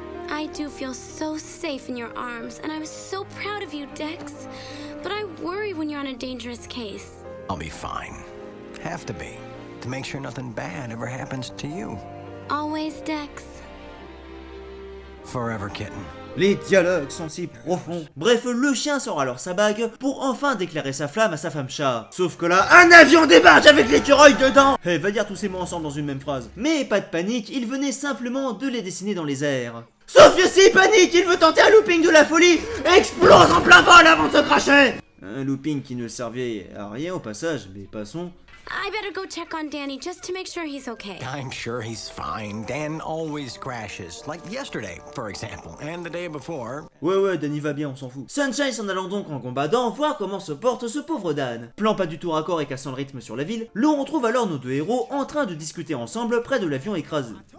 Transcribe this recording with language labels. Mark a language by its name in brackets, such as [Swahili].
[English] I do feel so safe in your arms, and I'm so proud of you, Dex. But I worry when you're on a dangerous case. I'll be fine. Have to be. To make sure nothing bad ever happens to you. Always, Dex. Forever kitten. [French] Les dialogues sont si profonds. Bref, le chien sort alors sa bague pour enfin déclarer sa flamme à sa femme chat. Sauf que là, un avion débarque avec l'écureuil dedans. Eh, va dire tous ces mots ensemble dans une même phrase. Mais pas de panique, il venait simplement de les dessiner dans les airs. Sauf que si, panique, il veut tenter un looping de la folie, explose en plein vol avant de se cracher. Un looping qui ne servait à rien au passage, mais passons. [English] I better go check on Danny just to make sure he's okay. I'm sure he's fine. Dan always crashes. Like yesterday, for example. And the day before. [French] Ouais, Danny va bien, on s'en fout. Sunshine s'en allant donc en combattant, voir comment se porte ce pauvre Dan. Plan pas du tout raccord et cassant le rythme sur la ville, l'on retrouve alors nos deux héros en train de discuter ensemble près de l'avion écrasé.